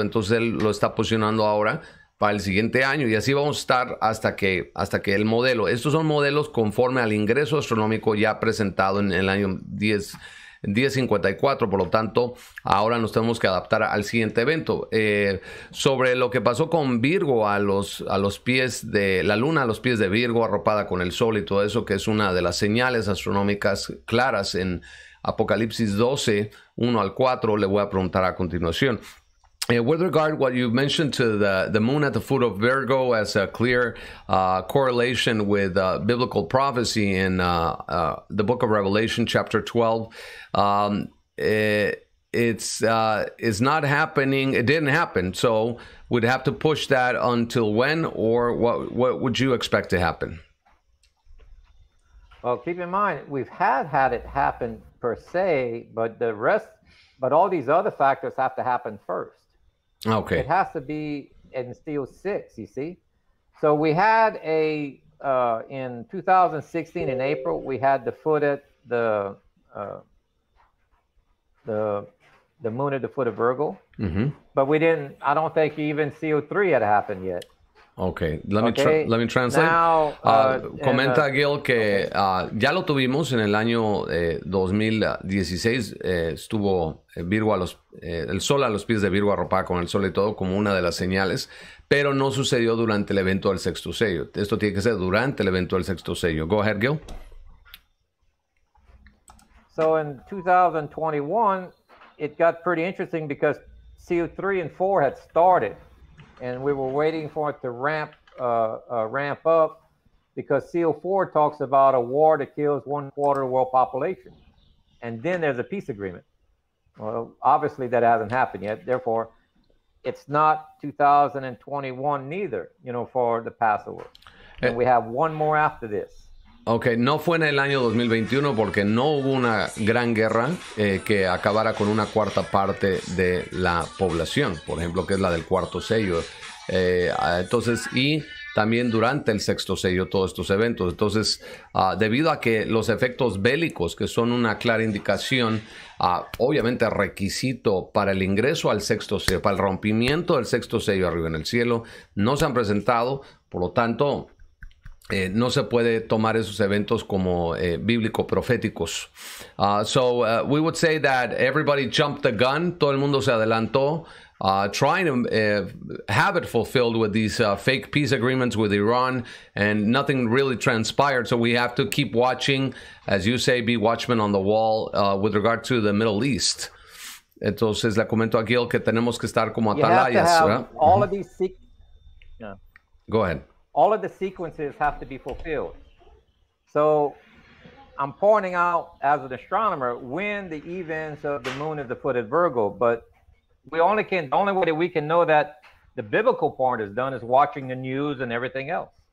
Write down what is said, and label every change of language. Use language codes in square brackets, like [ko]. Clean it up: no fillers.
[es] Entonces, él lo está posicionando ahora para el siguiente año, y así vamos a estar hasta que el modelo, estos son modelos conforme al ingreso astronómico ya presentado en el año 1054, por lo tanto, ahora nos tenemos que adaptar al siguiente evento. Sobre lo que pasó con Virgo, a los pies de la luna, a los pies de Virgo, arropada con el sol y todo eso, que es una de las señales astronómicas claras en Apocalipsis 12, 1 al 4, le voy a preguntar a continuación. [en] With regard to what you mentioned to the moon at the foot of Virgo as a clear correlation with biblical prophecy in the book of Revelation, chapter 12, it's not happening. It didn't happen. So we'd have to push that until when, or what would you expect to happen? Well, keep in mind, we've had it happen per se, but all these other factors have to happen first. Okay. It has to be in CO6, you see. So we had in 2016 in April, we had the foot at the moon at the foot of Virgo. Mm-hmm. But we didn't, I don't think even CO3 had happened yet. Okay, let me translate. Now, [es] comenta Gil que okay. Ya lo tuvimos en el año 2016, estuvo Virgo el sol a los pies de Virgo, arropada con el sol y todo, como una de las señales, pero no sucedió durante el evento del sexto sello. Esto tiene que ser durante el evento del sexto sello. [en] Go ahead, Gil. So in 2021, it got pretty interesting because CO3 and 4 had started, and we were waiting for it to ramp up, because CO4 talks about a war that kills one quarter of the world population, and then there's a peace agreement. Well, obviously that hasn't happened yet. Therefore, it's not 2021 neither, you know, for the Passover. And we have one more after this. [es] Okay, no fue en el año 2021 porque no hubo una gran guerra que acabara con una cuarta parte de la población, por ejemplo, que es la del cuarto sello. Entonces, y también durante el sexto sello, todos estos eventos. Entonces, debido a que los efectos bélicos, que son una clara indicación, obviamente requisito para el ingreso al sexto sello, para el rompimiento del sexto sello arriba en el cielo, no se han presentado, por lo tanto, no se puede tomar esos eventos como bíblico-proféticos. [en] So, we would say that everybody jumped the gun, [es] todo el mundo se adelantó, [en] trying to have it fulfilled with these fake peace agreements with Iran, and nothing really transpired. So we have to keep watching, as you say, be watchmen on the wall with regard to the Middle East. [es] Entonces le comento a Gil que tenemos que estar como atalayas. [en] You have to have all of these Go ahead. All of the sequences have to be fulfilled. So I'm pointing out, as an astronomer, when the events of the moon is the foot of Virgo, but the only way that we can know that the biblical part is done is watching the news and everything else.